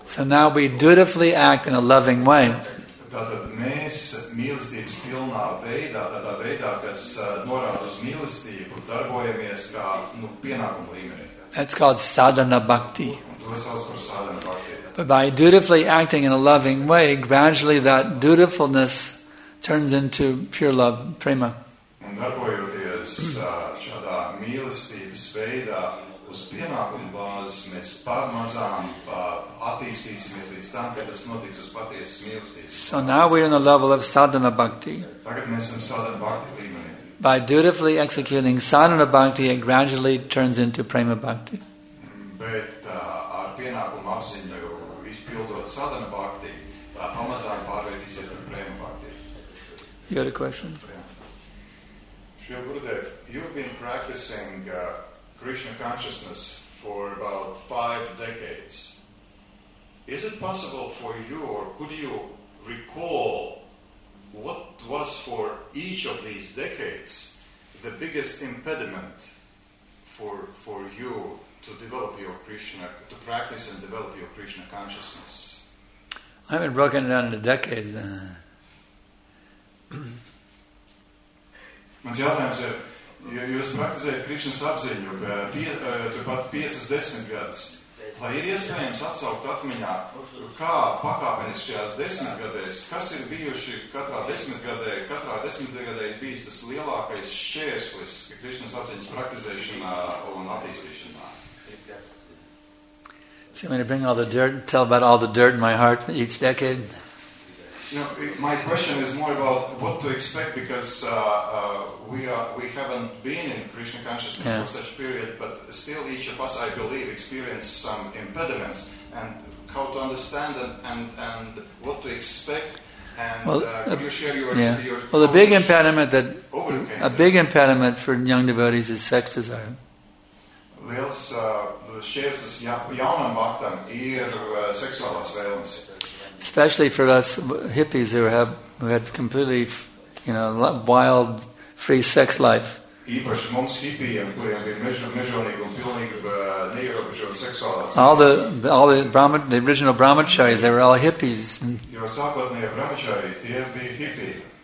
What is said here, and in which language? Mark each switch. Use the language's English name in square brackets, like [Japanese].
[English] So now we dutifully act in a loving way. [Latvian] Tātad mēs mīlestības pilnā veidā, tādā veidā, kas norāda uz mīlestību, darbojamies kā pienākuma līmenī. [English] That's called sadhana bhakti. [Latvian] Un to sauc par sadhana bhakti. [English] But by dutifully acting in a loving way, gradually that dutifulness turns into pure love, prema. [Latvian] Un darbojoties šādā mīlestības veidā, uz pienākumu bāzes mēs pārmazām attīstīsimies līdz tam, ka tas notiks uz patiesas mīlestības. [English] So now we're on the level of sadhana bhakti. [Latvian] Tagad mēs esam sadhana bhakti līmenī. [English] By dutifully executing sadhana bhakti, it gradually turns into prema bhakti. [Latvian] Bet ar pienākumu apziņu izpildot sadhana bhakti, tā pamazām pārveidīsies par prema bhakti. [English] You had a question? Shrila Gurudev, you've been practicing Krishna consciousness for about 5 decades. Is it possible for you, or could you recall what was for each of these decades the biggest impediment for you to develop your Krishna, to practice and develop your Krishna consciousness? I haven't broken it down into decades. [Latvian] Jūs praktizējat Krišnas apziņu, turpat 5-10 gadus. Vai ir iespējams atsaukt atmiņā, kā pakāpenis šajās 10 gadēs, kas ir bijuši katrā desmitgadē ir bijis tas lielākais šķērslis Krišnas apziņas praktizēšanā un attīstīšanā? [English] So I'm going to bring all the dirt and tell about all the dirt in my heart each decade. You know, my question is more about what to expect, because we haven't been in Krishna consciousness for such a period, but still each of us, I believe, experienced some impediments, and how to understand them, and what to expect, and could you share your Well, the big impediment that a big impediment for young devotees is sex desire. [Latvian] Liels šķērslis jaunam bhaktam ir seksuālās vēlmes. [English] Especially for us hippies who had completely, you know, wild, free sex life. All the original brahmacharis, they were all hippies.